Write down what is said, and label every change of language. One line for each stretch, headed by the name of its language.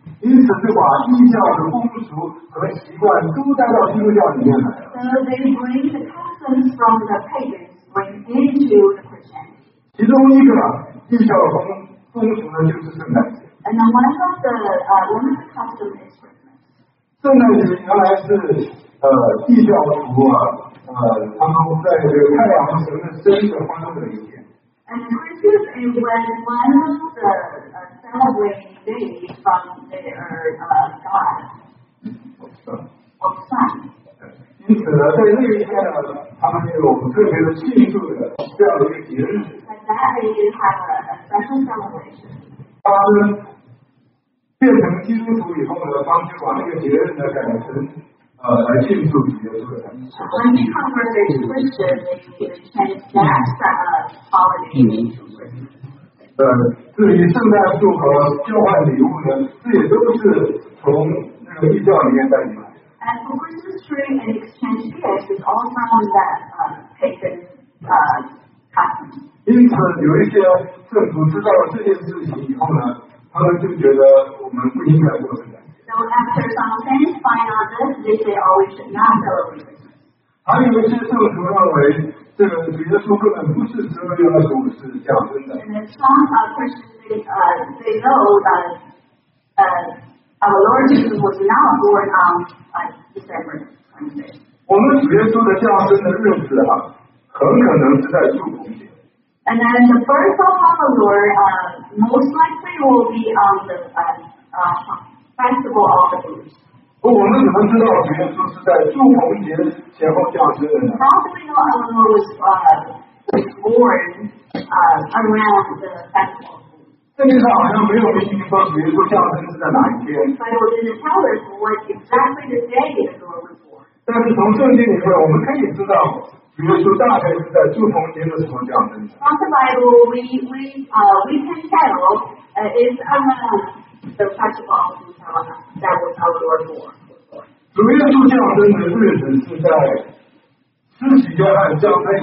Chinese: 因此就把异教的风俗和习惯都带到基督教里面来了。
English: So they bring the customs from the pagans went into the Christianity.
Chinese: 其中一个异教的风俗呢，就是圣诞节。
English: And one of the customs is Christmas.
Chinese: 圣诞节原来是异教徒他们在这个太阳神的生日欢乐的一天。
English: And Christmas is when one of the celebrating days from their God of Sun.
Chinese: 因此呢，在那一天呢，他们就有特别的庆祝的这样的一个节日。
English: And that they have a special celebration.
Chinese: 他们变成基督徒以后呢，他们就把那个节日呢改成来庆祝耶稣的诞辰。
English: When they convert to Christian, they change that.
Chinese: 至于圣诞树和交换礼物呢，这也都是从那个异教里面带进来的。
English: And for Christmas tree and exchange gifts is all from that pagan custom.
Chinese: 因此，有一些政府知道了这件事情以后呢，他们就觉得我们不应该过圣诞。
English: So after some things find out this, they say, "Oh, we should not celebrate."
Chinese: 还有一些政府认为。这个主耶稣根本不是十二月二十五是降生的。
English: Some Christians they know that our Lord Jesus was not born on December 25.
Chinese: 我们主耶稣的降生的日子啊，很可能是在主恐节。
English: And then the birth of our Lord most likely will be on the festival of the Booths.
Chinese: 我们怎么知道主耶稣是在祝棚节前后降生的呢？
English: How do we know our Lord was born around the festival?
Chinese: 圣经上好像没有明确说主耶稣降生是在哪一天。
English: But it didn't tell us what exactly the day the Lord was born.
Chinese: 但是从圣经里面我们可以知道，
English: Throughout the Bible, we can tell is the principle of that was our Lord born.